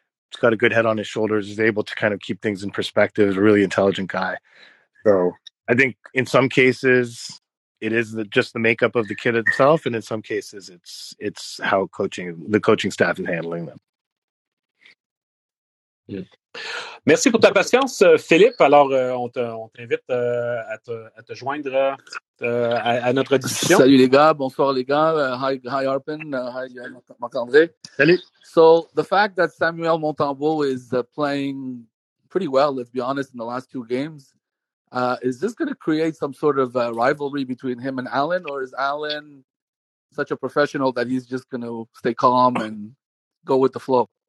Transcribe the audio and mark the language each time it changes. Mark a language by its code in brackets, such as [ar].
[en] He's got a good head on his shoulders. He's able to kind of keep things in perspective. He's a really intelligent guy. So I think in some cases it is just the makeup of the kid itself. And in some cases it's how the coaching staff is handling them. [fr] Merci pour ta patience, Philippe. Alors, on t'invite à te joindre à notre discussion. Salut les gars, bonsoir les gars. [en] Hi Arpin, hi Marc-André. [fr] Salut. [en] So the fact that Samuel Montembeau is playing pretty well, let's be honest, in the last two games, is this going to create some sort of rivalry between him and Allen, or is Allen such a professional that he's just going to stay calm and go with the flow?